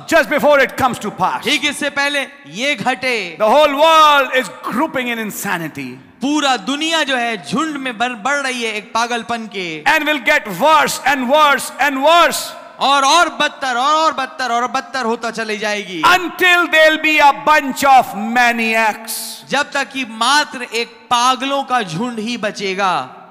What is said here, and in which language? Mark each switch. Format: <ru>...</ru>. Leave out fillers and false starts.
<en>just before it comes to pass,</en> <hi>ठीक इससे पहले ये घटे,</hi> <en>the whole world is groping in insanity,</en> <hi>पूरा दुनिया जो है झुंड में बढ़ रही है एक पागलपन के।</hi> <en>and will get worse and worse and worse,</en> <hi>और बदतर और बदतर और बदतर होता चली जाएगी।</hi> <en>Until there'll be a bunch of maniacs,</en> <hi>जब तक कि मात्र एक पागलों का झुंड ही बचेगा।</hi>